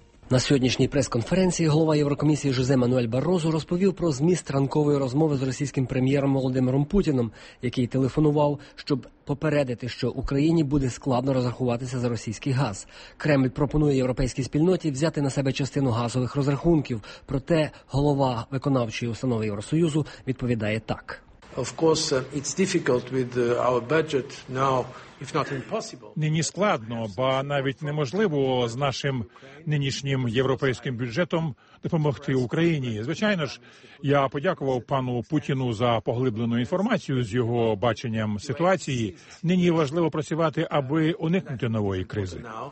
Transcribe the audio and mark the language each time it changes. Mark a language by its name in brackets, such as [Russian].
[Ukrainian] На сьогоднішній прес-конференції голова Єврокомісії Жозе Мануель Барозу розповів про зміст ранкової розмови з російським прем'єром Володимиром Путіним, який телефонував, щоб попередити, що Україні буде складно розрахуватися за російський газ. Кремль пропонує європейській спільноті взяти на себе частину газових розрахунків. Проте голова виконавчої установи Євросоюзу відповідає так. [English] Of course, it's difficult with our budget now. [Ukrainian] Нині складно, ба навіть неможливо з нашим нинішнім європейським бюджетом допомогти Україні. Звичайно ж, я подякував пану Путіну за поглиблену інформацію з його баченням ситуації. Нині важливо працювати, аби уникнути нової кризи.